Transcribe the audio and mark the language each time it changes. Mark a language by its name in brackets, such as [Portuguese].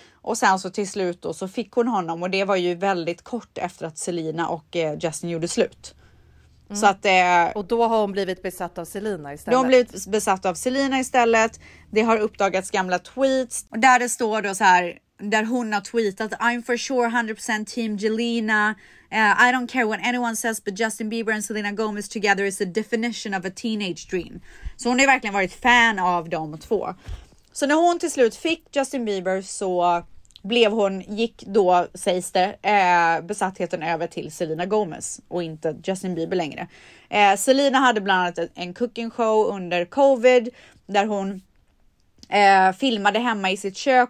[Swedish] Och sen så till slut då så fick hon honom, och det var ju väldigt kort efter att Selena och Justin gjorde slut. Mm. Så att, och då har hon blivit besatt av Selena istället. Då har hon blivit besatt av Selena istället. Det har uppdagats gamla tweets där det står då så här, där hon har tweetat [English] I'm for sure 100% team Jelena. I don't care what anyone says, but Justin Bieber and Selena Gomez together is the definition of a teenage dream. [Swedish] Så hon har verkligen varit fan av dem två. Så när hon till slut fick Justin Bieber så blev hon, gick då, sägs det, besattheten över till Selena Gomez och inte Justin Bieber längre. Selena hade bland annat en cooking show under covid där hon filmade hemma i sitt kök.